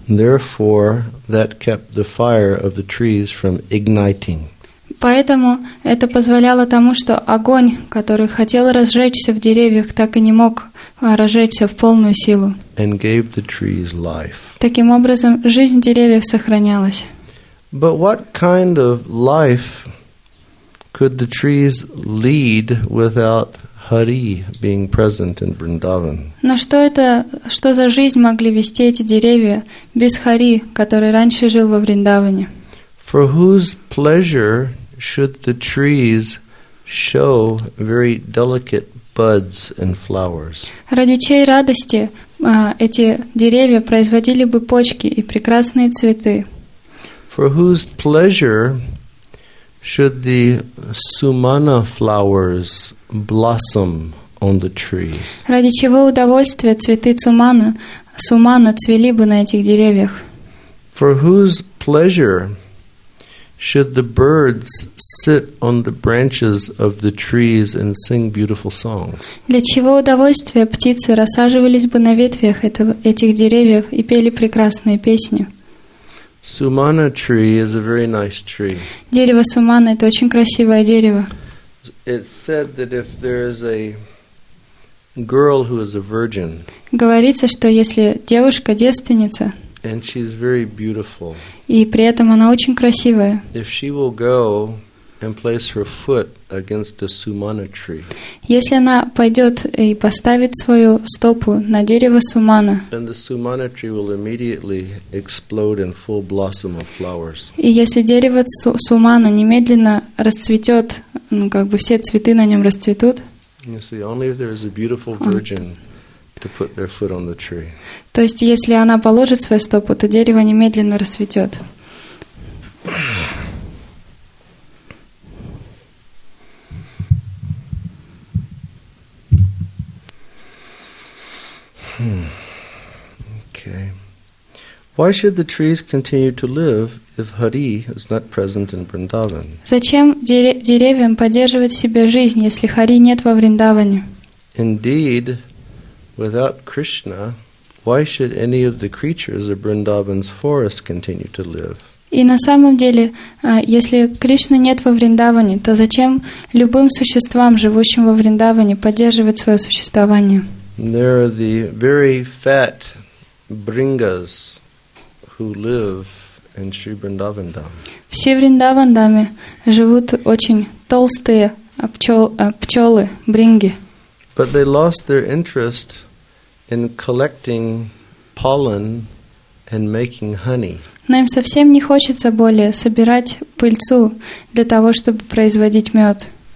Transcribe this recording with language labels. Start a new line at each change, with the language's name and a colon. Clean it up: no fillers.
English: Therefore, that kept the fire of the trees from igniting.
Russian: Поэтому это позволяло тому, что огонь, который хотел разжечься в деревьях, так и не мог разжечься в полную силу.
English: And gave the trees life.
Russian: Таким образом, жизнь деревьев сохранялась.
English: But what kind of life could the trees lead without Hari being present in Vrindavan?
Russian: Но что за жизнь могли вести эти деревья без Хари, который раньше жил во Вриндаване?
English: For whose pleasure should the trees show very delicate buds and flowers?
Russian: Ради чьей радости эти деревья производили бы почки и прекрасные цветы?
English: For whose pleasure should the sumana flowers blossom on the trees?
Russian: Ради чего удовольствия цветы сумана цвели бы на этих деревьях?
English: For whose pleasure Should the birds sit on the branches of the trees and sing beautiful songs?
Russian: Для чего удовольствия птицы рассаживались бы на ветвях этих деревьев и пели прекрасные песни?
English: Sumana tree is a very nice tree.
Russian: Дерево сумана — это очень красивое дерево.
English: It's said that if there is a girl who is a virgin,
Russian: говорится, что если девушка девственница,
English: and she's very beautiful,
Russian: и при этом она очень красивая,
English: if she will go and place her foot against a sumana tree,
Russian: если она пойдет и поставит свою стопу на дерево сумана,
English: then the sumana tree will immediately explode in full blossom of flowers.
Russian: И если дерево сумана немедленно расцветет, ну, как бы все цветы на нем расцветут.
English: You see, only if there is a beautiful virgin to put their foot on the tree.
Russian: То есть, если она положит свою стопу, то дерево немедленно расцветет.
English: Okay. Why should the trees continue to live if Hari is not present in Vrindavan?
Russian: Зачем деревьям поддерживать в себе жизнь, если Хари нет во Вриндаване?
English: Indeed, without Krishna, why should any of the creatures of Vrindavan's forest continue to live?
Russian: И на самом деле, если Кришны нет во Вриндаване, то зачем любым существам, живущим во Вриндаване, поддерживать свое существование?
English: There are the very fat bringas who live in Sri Vrindavan Dham.
Russian: В Шри Вриндаван Даме живут очень толстые пчелы, бринги.
English: But they lost their interest in collecting pollen and making honey.
Russian: Но им совсем не хочется более собирать пыльцу для того, чтобы производить мед.